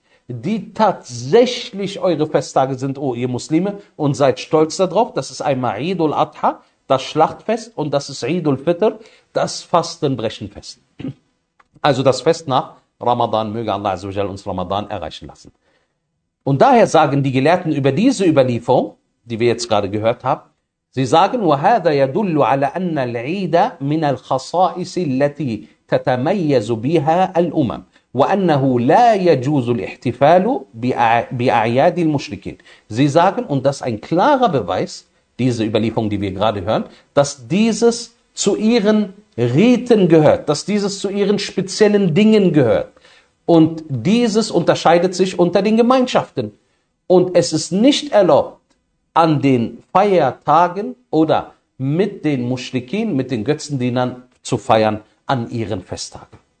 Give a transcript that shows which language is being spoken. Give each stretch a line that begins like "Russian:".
German: die tatsächlich eure Festtage sind, oh ihr Muslime, und seid stolz darauf. Das ist einmal Eid al-Adha, das Schlachtfest, und das ist Eid al-Fitr, das Fastenbrechenfest. Also das Fest nach Ramadan, möge Allah azawajal uns Ramadan erreichen lassen. Und daher sagen die Gelehrten über diese Überlieferung, die wir jetzt gerade gehört haben, sie sagen,
Arabic: وَهَذَا يَدُلُّ عَلَى أَنَّ الْعِيدَ مِنَ الْخَصَائِسِ الَّتِي تَتَمَيَّزُ بِهَا الْأُمَمْ وَأَنَّهُ لَا يَجُوزُ الْإِحْتِفَالُ بِأَعْيَادِ الْمُشْرِكِينَ.
German: Sie sagen, und das ist ein klarer Beweis, diese Überlieferung, die wir gerade hören, dass dieses zu ihren Riten gehört, dass dieses zu ihren speziellen Dingen gehört. Und dieses unterscheidet sich unter den Gemeinschaften. Und es ist nicht erlaubt, an den Feiertagen oder mit den Muschrikin, mit den Götzendienern zu feiern an ihren Festtagen.